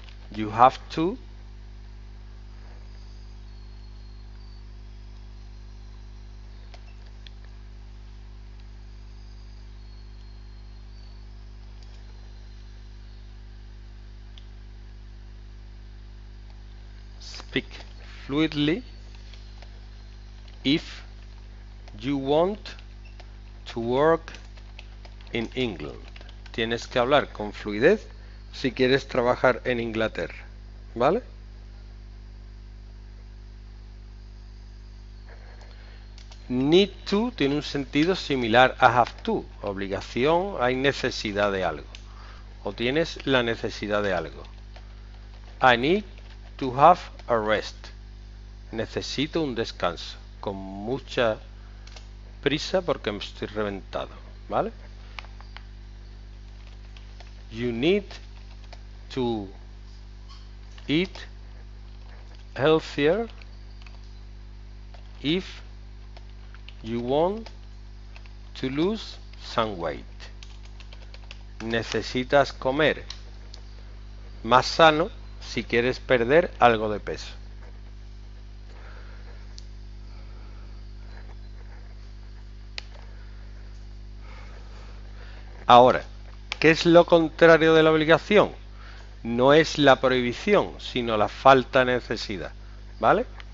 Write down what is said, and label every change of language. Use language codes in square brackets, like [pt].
[en] You have to speak fluidly if you want to work in England. [es] Tienes que hablar con fluidez si quieres trabajar en Inglaterra, ¿vale? Need to tiene un sentido similar a have to. Obligación, hay necesidad de algo. O tienes la necesidad de algo. [en] I need to have a rest. [es] Necesito un descanso. Con mucha prisa porque me estoy reventado, ¿vale? [en] You need to eat healthier if you want to lose some weight. [es] Necesitas comer más sano si quieres perder algo de peso. Ahora, ¿qué es lo contrario de la obligación? No es la prohibición, sino la falta de necesidad, ¿vale?